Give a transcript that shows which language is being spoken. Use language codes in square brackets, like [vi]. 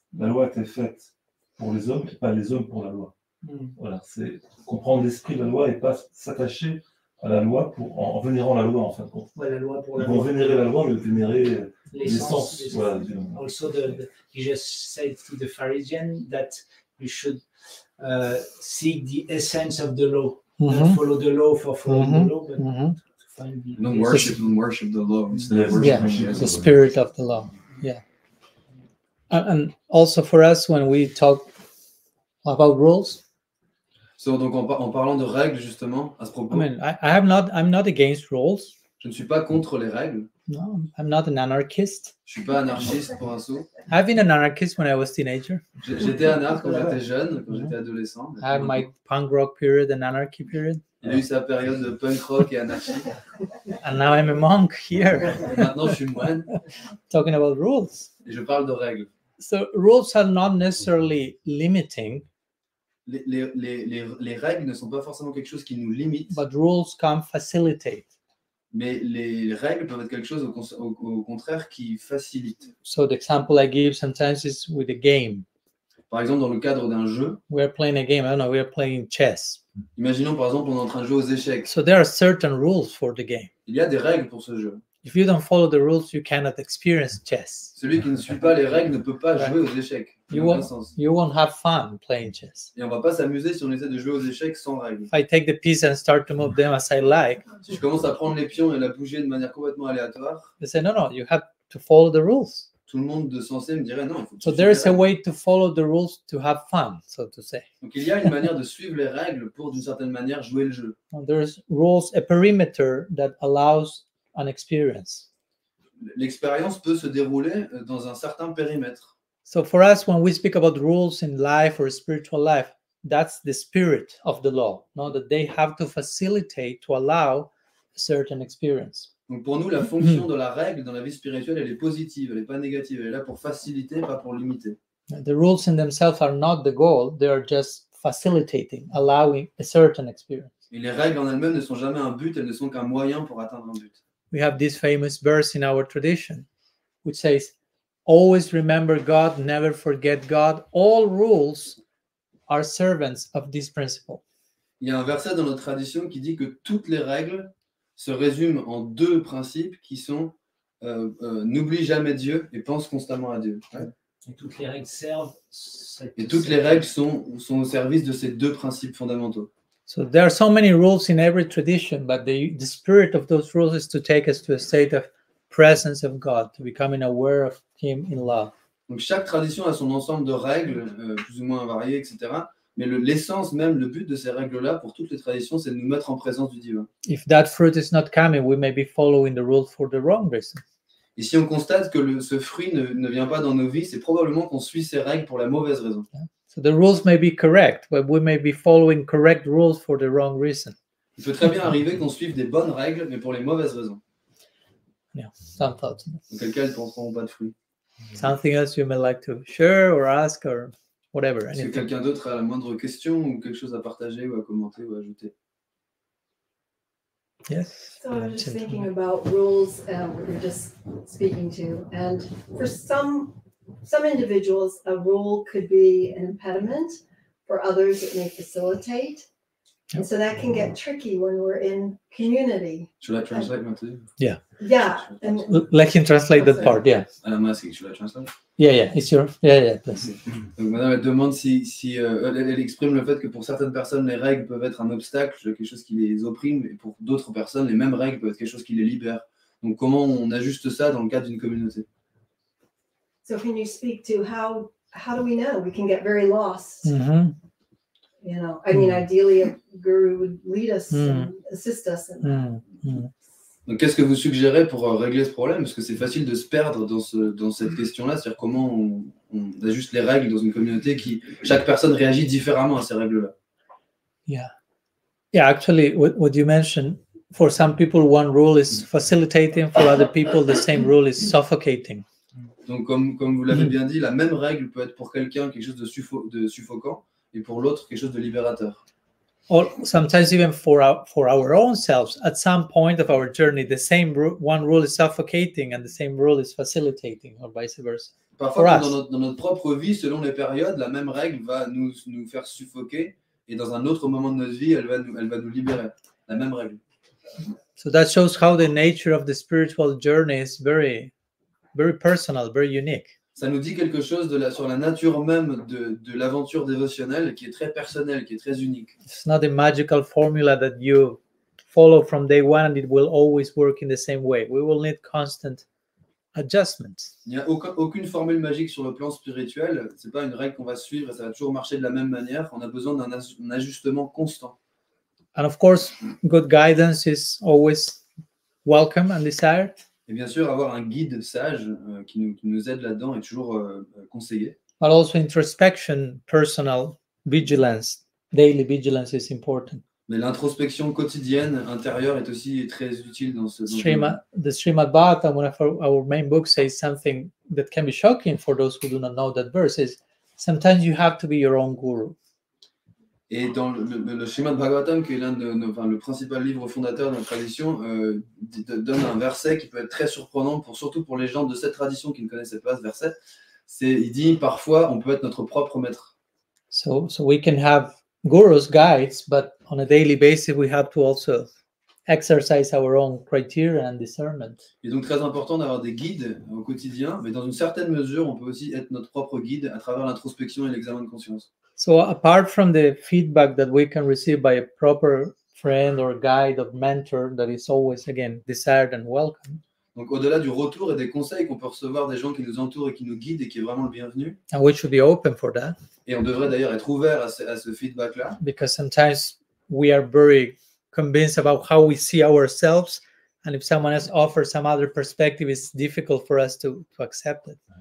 [fr] La loi était faite pour les hommes et pas les hommes pour la loi. Voilà. C'est comprendre l'esprit de la loi et pas s'attacher à la loi pour en vénérant la loi en fin de compte. Ouais, la loi pour ils vont vénérer la loi, mais vénérer l'essence. [en] Also, he just said to the Pharisees that you should seek the essence of the law, not follow the law for following the law, but to find the. Don't worship and worship the law instead of worshiping the spirit of the law. Yeah, and also for us when we talk about rules. [fr] So, donc en parlant de règles justement à ce propos. [en] I mean, I have not, I'm not against rules. [fr] Je ne suis pas contre les règles. [en] No, I'm not an anarchist. [fr] Je suis pas anarchiste pour un sou. [en] I've been an anarchist when I was teenager. [fr] J'étais anarchiste quand j'étais jeune, quand j'étais adolescent. [en] I have my punk rock period and anarchy period. [fr] Il y a eu sa période de punk rock et anarchie. [en] And now I'm a monk here. [fr] Maintenant je suis moine. [en] Talking about rules. [fr] Et je parle de règles. [en] So rules are not necessarily limiting. [fr] Les règles ne sont pas forcément quelque chose qui nous limite. [en] But rules can facilitate. [fr] Mais les règles peuvent être quelque chose au contraire qui facilite. [en] So the example I give sometimes is with a game. [fr] Par exemple, dans le cadre d'un jeu. [en] We are playing a game. I don't know. We are playing chess. [fr] Imaginons par exemple, on est en train de jouer aux échecs. [en] So there are certain rules for the game. [fr] Il y a des règles pour ce jeu. [en] If you don't follow the rules, you cannot experience chess. [fr] Celui qui ne suit pas les règles ne peut pas jouer aux échecs. [en] You won't have fun playing chess. [fr] Et on va pas s'amuser si on essaie de jouer aux échecs sans règles. [en] If I take the pieces and start to move them as I like. [fr] Si je commence à prendre les pions et à bouger de manière complètement aléatoire. [en] They say no, you have to follow the rules. [fr] Tout le monde de sensé me dirait non. Il faut [en] so there is a way to follow the rules to have fun, so to say. [fr] Donc il y a une manière de suivre les règles pour d'une certaine manière jouer le jeu. [en] There's rules, a perimeter that allows an experience. [fr] L'expérience peut se dérouler dans un certain périmètre. [en] So for us, when we speak about rules in life or spiritual life, that's the spirit of the law, not that they have to facilitate to allow a certain experience. [fr] Donc pour nous, la fonction de la règle dans la vie spirituelle, elle est positive, elle est pas négative, elle est là pour faciliter, pas pour limiter. [en] The rules in themselves are not the goal, they are just facilitating, allowing a certain experience. [fr] Et les règles en elles-mêmes ne sont jamais un but, elles ne sont qu'un moyen pour atteindre un but. [en] We have this famous verse in our tradition, which says, always remember God, never forget God. All rules are servants of this principle. [fr] Il y a un verset dans notre tradition qui dit que toutes les règles se résument en deux principes qui sont n'oublie jamais Dieu et pense constamment à Dieu. Ouais. Et toutes les règles servent. Et toutes les règles sont au service de ces deux principes fondamentaux. [en] So there are so many rules in every tradition, but the spirit of those rules is to take us to a state of presence of God, to becoming aware of Him in love. [fr] Donc chaque tradition a son ensemble de règles, plus ou moins variées, etc. Mais l'essence même, le but de ces règles-là, pour toutes les traditions, c'est de nous mettre en présence du divin. [en] If that fruit is not coming, we may be following the rule for the wrong reason. [fr] Et si on constate que ce fruit ne vient pas dans nos vies, c'est probablement qu'on suit ces règles pour la mauvaise raison. [en] So the rules may be correct, but we may be following correct rules for the wrong reason. [fr] Il peut très bien arriver qu'on suive des bonnes règles, mais pour les mauvaises raisons. [en] Yeah, sometimes. [fr] Dans quel cas elles ne penseront pas de fruits. [en] Something else you may like to share or ask or whatever. [fr] Est-ce que quelqu'un d'autre a la moindre question ou quelque chose à partager ou à commenter ou à ajouter? [en] Yes. So I was just thinking about rules we were just speaking to, and for some individuals, a rule could be an impediment. For others, it may facilitate. And so that can get tricky when we're in community. Should I translate my too? Yeah. Yeah. Let him translate that part. Yeah. And I'm asking, should I translate? Yeah. It's your. Yeah. Please. [fr] Donc maintenant, elle demande si elle exprime le fait que pour certaines personnes, les règles peuvent être un obstacle, quelque chose qui les opprime, et pour d'autres personnes, les mêmes règles peuvent être quelque chose qui les libère. Donc comment on ajuste ça dans le cadre d'une communauté? [en] So can you speak to how do we know? We can get very lost. Mm-hmm. You know, I mean, ideally, a guru would lead us and assist us. [fr] Donc, qu'est-ce que vous suggérez pour régler ce problème? Parce que c'est facile de se perdre dans cette question-là, c'est-à-dire comment on ajuste les règles dans une communauté qui chaque personne réagit différemment à ces règles-là. [en] Yeah. Actually, what you mentioned, for some people, one rule is facilitating; for other people, the same rule is suffocating. [fr] Donc, comme vous l'avez bien dit, la même règle peut être pour quelqu'un quelque chose de suffocant, et pour l'autre quelque chose de libérateur. [en] Or sometimes even for our own selves, at some point of our journey, the same one rule is suffocating and the same rule is facilitating, or vice versa. [fr] Parfois, dans notre propre vie, selon les périodes, la même règle va nous faire suffoquer, et dans un autre moment de notre vie, elle va nous libérer. La même règle. [en] So that shows how the nature of the spiritual journey is very, very personal, very unique. [fr] Ça nous dit quelque chose sur la nature même de l'aventure dévotionnelle qui est très personnelle, qui est très unique. [en] It's not a magical formula that you follow from day one and it will always work in the same way. We will need constant adjustments. [fr] Il n'y a aucune formule magique sur le plan spirituel. Ce n'est pas une règle qu'on va suivre et ça va toujours marcher de la même manière. On a besoin d'un ajustement constant. [en] And of course, good guidance is always welcome and desired. [fr] Et bien sûr, avoir un guide sage qui nous aide là-dedans est toujours conseillé. [en] But also introspection, personal vigilance, daily vigilance is important. [fr] Mais l'introspection quotidienne intérieure est aussi très utile dans ce domaine. [en] The Srimad Bhagavatam, one of our main books, says something that can be shocking for those who do not know that verse, is sometimes you have to be your own guru. [fr] Et dans le Srimad Bhagavatam, qui est le principal livre fondateur de notre tradition, donne un verset qui peut être très surprenant, surtout pour les gens de cette tradition qui ne connaissaient pas ce verset. Il dit, parfois, on peut être notre propre maître. [en] So we can have gurus, guides, but on a daily basis, we have to also exercise our own criteria and discernment. [fr] Il est donc très important d'avoir des guides au quotidien, mais dans une certaine mesure, on peut aussi être notre propre guide à travers l'introspection et l'examen de conscience. [en] So apart from the feedback that we can receive by a proper friend or guide or mentor that is always, again, desired and welcome. [fr] Donc au-delà du retour et des conseils qu'on peut recevoir des gens qui nous entourent et qui nous guident et qui est vraiment le bienvenu. [en] And we should be open for that. [fr] Et on devrait d'ailleurs être ouvert à ce feedback-là. [en] Because sometimes we are very convinced about how we see ourselves and if someone else offers some other perspective, it's difficult for us to accept it.